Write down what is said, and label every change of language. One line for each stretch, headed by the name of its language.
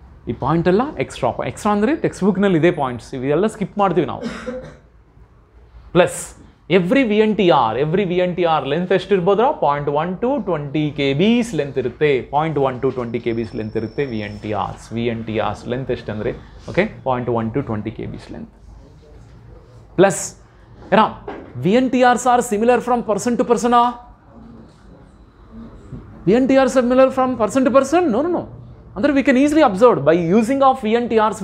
Kannada: ಈ ಪಾಯಿಂಟ್ ಎಲ್ಲ ಎಕ್ಸ್ಟ್ರಾ ಅಂದರೆ ಟೆಕ್ಸ್ಟ್ ಬುಕ್ನಲ್ಲಿ ಇದೇ ಪಾಯಿಂಟ್ಸ್, ಇವೆಲ್ಲ ಸ್ಕಿಪ್ ಮಾಡ್ತೀವಿ ನಾವು.
English: plus every VNTR, every VNTR length
Kannada: ಎಷ್ಟು ಇರ್ಬೋದ್ರ?
English: 0.1 to 20 kbs length
Kannada: ಇರುತ್ತೆ.
English: 0.1 to 20 kbs length
Kannada: ಇರುತ್ತೆ
English: VNTRs. VNTRs length
Kannada: ಎಷ್ಟು ಅಂದರೆ
English: Okay 0.1 to 20 kbs length. Plus
Kannada: ಏನಾ
English: VNTRs are similar from person to person? ಆ VNTRs are similar from person to person? No no,
Kannada: ಅಂದರೆ
English: We can easily observe by using of VNTRs.